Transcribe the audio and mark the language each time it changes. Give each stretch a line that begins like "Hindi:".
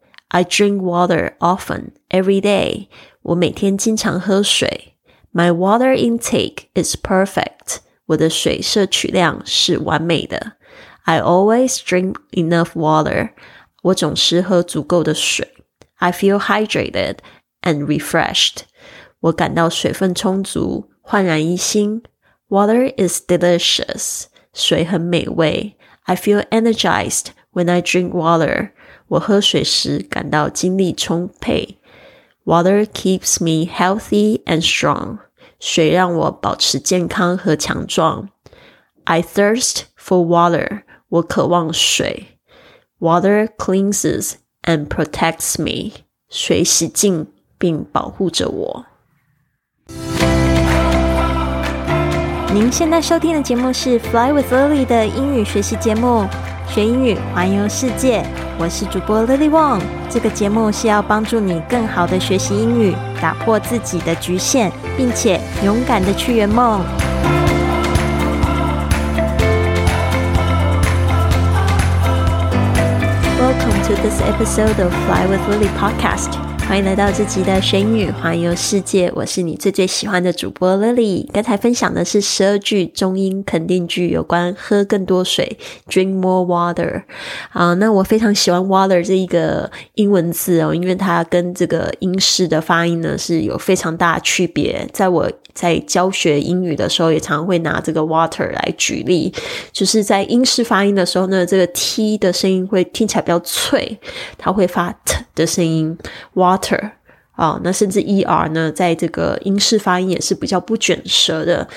English: I drink water often, every day.
Chinese: 我每天经常喝水。
English: My water intake is perfect.
Chinese: 我的水摄取量是完美的。
English: I always drink enough water.
Chinese: 我总是喝足够的水。
English: I feel hydrated and refreshed.
Chinese: 我感到水分充足，焕然一新。
English: Water is delicious.
Chinese: 水很美味。
English: I feel energized when I drink water.
Chinese: 我喝水时感到精力充沛。
English: Water keeps me healthy and strong.
Chinese: 水让我保持健康和强壮。
English: I thirst for water.
Chinese: 我渴望水。
English: Water cleanses and protects me.
Chinese: 水洗净并保护着我。您现在收听的节目是 Fly with Lily 的英语学习节目，学英语环游世界。我是主播 Lily Wong。这个节目是要帮助你更好的学习英语，打破自己的局限，并且勇敢的去圆梦。
English: Welcome to this episode of Fly with Lily podcast.
Chinese: 欢迎来到这集的学英语环游世界，我是你最最喜欢的主播 Lily。刚才分享的是12句中英肯定句，有关喝更多水， drink more water。那我非常喜欢 water 这一个英文字哦，因为它跟这个英式的发音呢是有非常大的区别，在我在教学英语的时候也常会拿这个 water 来举例，就是在英式发音的时候呢，这个 T 的声音会听起来比较脆，它会发 T 的声音， water、那甚至 ER 呢在这个英式发音也是比较不卷舌的。